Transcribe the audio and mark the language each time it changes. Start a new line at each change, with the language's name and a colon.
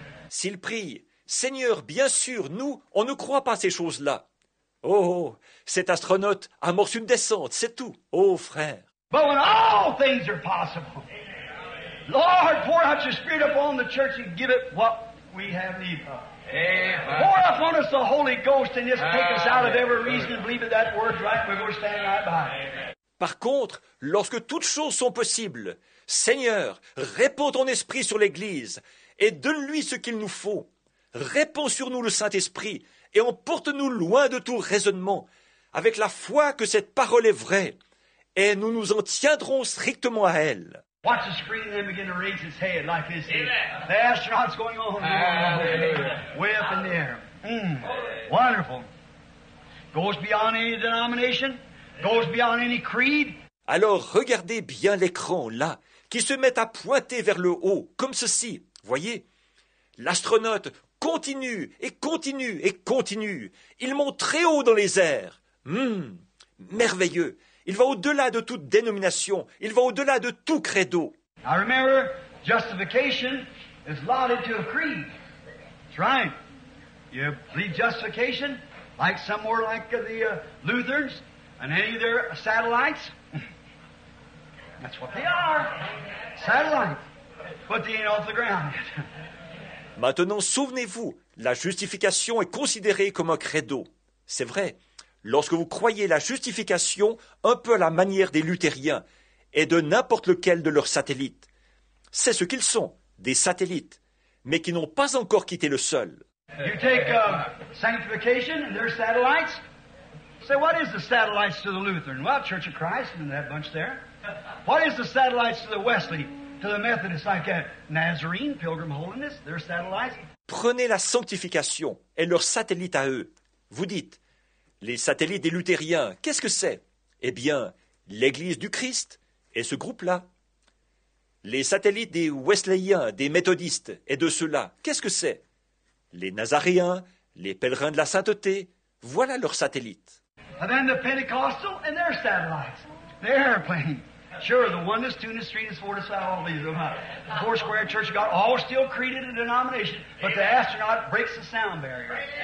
French: S'il prie, Seigneur, bien sûr, nous, on ne croit pas ces choses-là. Oh, cet astronaute amorce une descente, c'est tout. Oh, frère.
English: But when all things are possible, Lord, pour out your spirit upon the church and give it what we have need of. Pour upon us the Holy Ghost and just take us out of every reason and believe that word's right, we're going to stand right by.
French: Par contre, lorsque toutes choses sont possibles, Seigneur, répands ton esprit sur l'Église et donne-lui ce qu'il nous faut. Répands sur nous le Saint-Esprit et emporte-nous loin de tout raisonnement, avec la foi que cette parole est vraie, et nous nous en tiendrons strictement à elle.
English: Watch the screen and then begin to raise its head like this. The astronaut's going on. Way up in the air. Wonderful. Goes beyond any denomination. Goes beyond any creed.
French: Alors regardez bien l'écran là, qui se met à pointer vers le haut, comme ceci. Voyez, l'astronaute continue et continue et continue. Il monte très haut dans les airs. Merveilleux. Il va au-delà de toute dénomination. Il va au-delà de tout credo.
English: I remember justification is lauded to a creed. That's right. You believe justification like somewhere like the Lutherans and any of their satellites? That's what they are. Satellites. But they ain't off the ground yet.
French: Maintenant, souvenez-vous, la justification est considérée comme un credo. C'est vrai. Lorsque vous croyez la justification un peu à la manière des luthériens et de n'importe lequel de leurs satellites, c'est ce qu'ils sont, des satellites, mais qui n'ont pas encore quitté le sol.
English: You take sanctification and their satellites. Say, what is the satellites to the Lutheran? Well, Church of Christ and that bunch there. What is the satellites to the Wesley? To the Methodists, like that Nazarene, Pilgrim Holiness, their satellites.
French: Prenez la sanctification et leurs satellites à eux. Vous dites, les satellites des luthériens, qu'est-ce que c'est? Eh bien, l'Église du Christ et ce groupe-là. Les satellites des Wesleyens, des méthodistes et de ceux-là, qu'est-ce que c'est? Les Nazaréens, les pèlerins de la sainteté, voilà leurs satellites.
English: And then the Pentecostal and their satellites. Their airplane. Sure, the oneness, two-ness, three-ness, four-ness, all these of them. The four-square church of God, all still created a denomination, but the astronaut breaks the sound barrier.